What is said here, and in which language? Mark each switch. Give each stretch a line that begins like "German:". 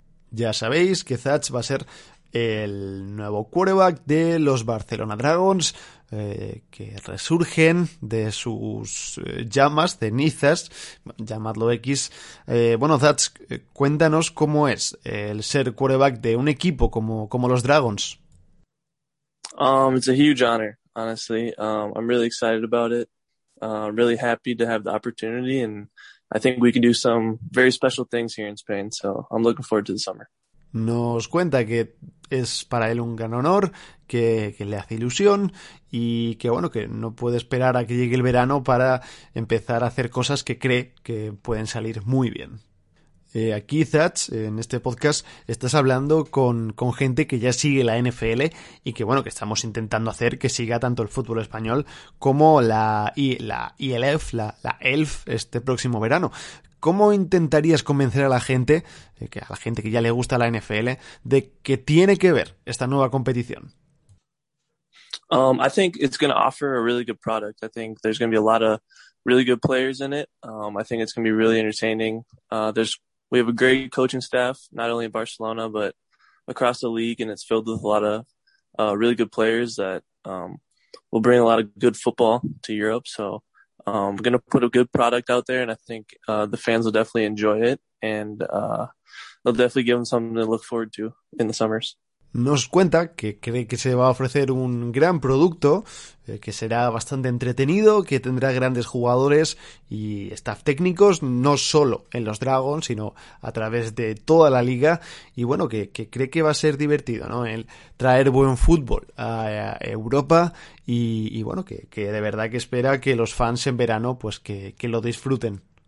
Spanish: Ya sabéis que Zach va a ser el nuevo quarterback de los Barcelona Dragons, que resurgen de sus llamas, cenizas, llamadlo X. Bueno, Zach, cuéntanos cómo es el ser quarterback de un equipo como los Dragons.
English: It's a huge honor, honestly. I'm really excited about it. Really happy to have the opportunity, and I think we can do some very special things here in Spain, so I'm looking forward to the summer.
Spanish: Nos cuenta que es para él un gran honor, que le hace ilusión y que bueno, que no puede esperar a que llegue el verano para empezar a hacer cosas que cree que pueden salir muy bien. Aquí, Zach, en este podcast, estás hablando con gente que ya sigue la NFL y que bueno, que estamos intentando hacer que siga tanto el fútbol español como la ELF, la ELF este próximo verano. ¿Cómo intentarías convencer a la gente, a la gente que ya le gusta la NFL, de que tiene que ver esta nueva competición?
English: I think it's going to offer a really good product. I think there's going to be a lot of really good players in it. I think it's going to be really entertaining. We have a great coaching staff, not only in Barcelona, but across the league, and it's filled with a lot of really good players that will bring a lot of good football to Europe. So we're going to put a good product out there, and I think the fans will definitely enjoy it, and they'll definitely give them something to look forward to in the summers.
Spanish: Nos cuenta que cree que se va a ofrecer un gran producto, que será bastante entretenido, que tendrá grandes jugadores y staff técnicos, no solo en los Dragons, sino a través de toda la liga. Y bueno, que cree que va a ser divertido, ¿no? El traer buen fútbol a Europa y bueno, que de verdad que espera que los fans en verano, pues que lo disfruten.